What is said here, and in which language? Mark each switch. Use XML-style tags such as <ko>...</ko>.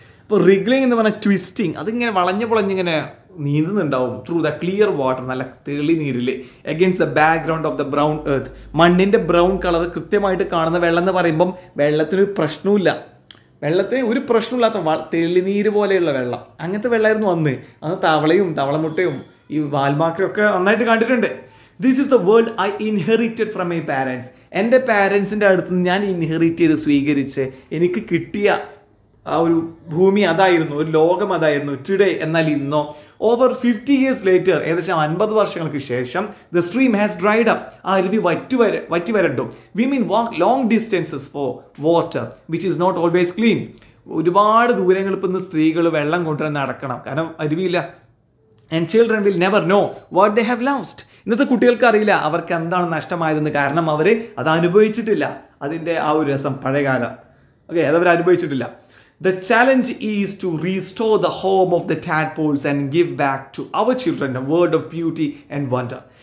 <ml>ഇപ്പോൾ റിഗ്ലിംഗ് എന്ന് പറഞ്ഞാൽ ട്വിസ്റ്റിങ്, അതിങ്ങനെ വളഞ്ഞ് പൊളഞ്ഞിങ്ങനെ നീന്തുന്നുണ്ടാവും</ml> <en>through the clear water,</en> <ml>നല്ല തെളി നീരിൽ,</ml> <en>against the background of the brown earth,</en> <ml>മണ്ണിൻ്റെ ബ്രൗൺ കളർ കൃത്യമായിട്ട് കാണുന്ന വെള്ളം എന്ന് പറയുമ്പം വെള്ളത്തിനൊരു പ്രശ്നവുമില്ല, വെള്ളത്തിന് ഒരു പ്രശ്നമില്ലാത്ത തെളിനീര് പോലെയുള്ള വെള്ളം, അങ്ങനത്തെ വെള്ളമായിരുന്നു അന്ന്. അന്ന് തവളയും തവളമുട്ടയും ഈ വാൽമാക്കരൊക്കെ നന്നായിട്ട് കണ്ടിട്ടുണ്ട്.</ml> <en>This is the world I inherited from my parents.</en> <ml>എൻ്റെ പാരൻസിൻ്റെ അടുത്ത് നിന്ന് ഞാൻ ഇൻഹെറിറ്റ് ചെയ്ത് സ്വീകരിച്ച് എനിക്ക് കിട്ടിയ ആ ഒരു ഭൂമി അതായിരുന്നു, ഒരു ലോകം അതായിരുന്നു ടുഡേ. എന്നാൽ ഇന്നോ</ml> <en>over 50 years later,</en> <ml>ഏകദേശം 50 വർഷങ്ങൾക്ക് ശേഷം,</ml> <en>the stream has dried up,</en> <ml>ആ അരുവി വറ്റി വരണ്ടു.</ml> <en>We mean walk long distances for water which is not always clean.</en> <ml>ഒരുപാട് ദൂരങ്ങൾ ഇപ്പം ഇന്ന് സ്ത്രീകൾ വെള്ളം കൊണ്ടുവരാൻ നടക്കണം, കാരണം അരുവിയില്ല.</ml> <en>And children will never know what they have lost.</en> <ml>ഇന്നത്തെ കുട്ടികൾക്ക് അറിയില്ല അവർക്ക് എന്താണ് നഷ്ടമായതെന്ന്, കാരണം അവർ അത് അനുഭവിച്ചിട്ടില്ല. അതിൻ്റെ ആ ഒരു രസം പഴയകാലം ഓക്കെ അതവർ അനുഭവിച്ചിട്ടില്ല.</ml> <en>The challenge is to restore the home of the tadpoles and give back to our children a world of beauty and wonder.</en>